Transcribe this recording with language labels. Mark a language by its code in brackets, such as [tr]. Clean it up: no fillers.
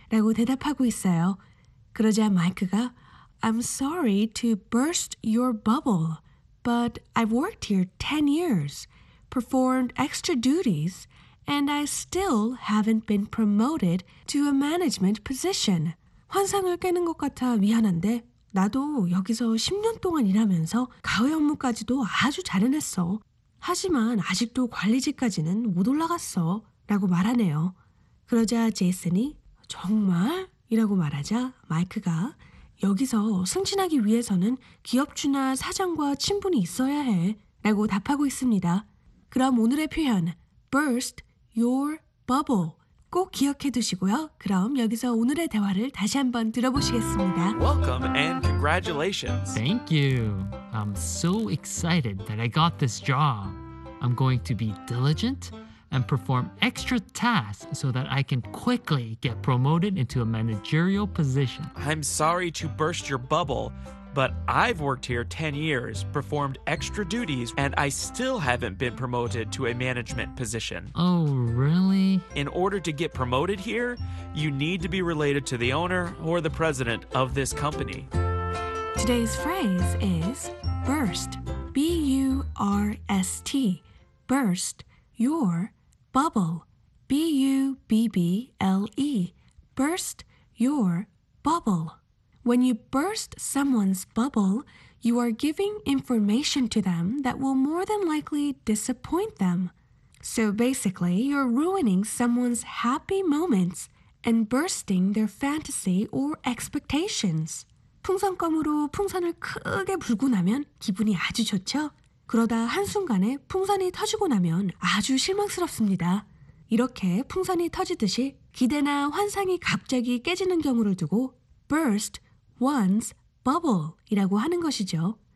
[ko] 라고 대답하고 있어요. 그러자 마이크가 [en] I'm sorry to burst your bubble, but I've worked here 10 years, performed extra duties, and I still haven't been promoted to a management position. [ko] 환상을 깨는 것 같아 미안한데 나도 여기서 10년 동안 일하면서 가회 업무까지도 아주 잘 해냈어. 하지만 아직도 관리직까지는 못 올라갔어. 라고 말하네요. 그러자 제이슨이 정말? 이라고 말하자 마이크가 여기서 승진하기 위해서는 기업주나 사장과 친분이 있어야 해. 라고 답하고 있습니다. 그럼 오늘의 표현 Burst your bubble. 꼭 기억해 두시고요. 그럼 여기서 오늘의 대화를 다시 한번 들어보시겠습니다. [en] Welcome and congratulations. Thank you. I'm so excited that I got this job. I'm going to be diligent and perform extra tasks so that I can quickly get promoted into a managerial position. I'm sorry to burst your bubble, but I've worked here 10 years, performed extra duties, and I still haven't been promoted to a management position. Oh, really? In order to get promoted here, you need to be related to the owner or the president of this company. Today's phrase is burst, B-U-R-S-T, burst your bubble, B-U-B-B-L-E, burst your bubble. When you burst someone's bubble, you are giving information to them that will more than likely disappoint them. So basically, you're ruining someone's happy moments and bursting their fantasy or expectations. [ko] 풍선껌으로 풍선을 크게 불고 나면 기분이 아주 좋죠? 그러다 한순간에 풍선이 터지고 나면 아주 실망스럽습니다. 이렇게 풍선이 터지듯이 기대나 환상이 갑자기 깨지는 경우를 두고 burst one's bubble 이라고 하는 것이죠.